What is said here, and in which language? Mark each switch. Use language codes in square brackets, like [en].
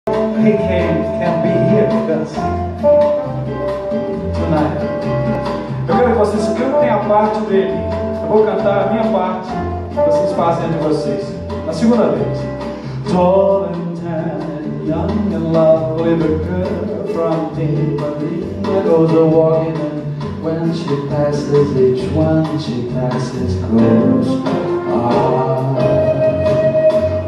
[en] he can be here with us tonight. [pt] Eu quero que vocês cantem a parte dele. Eu vou cantar a minha parte. Vocês fazem a de vocês. A segunda vez. [en] Tall and tan, young and lovely, the girl from Timberlina goes a walking, and when she passes, each one she passes goes by.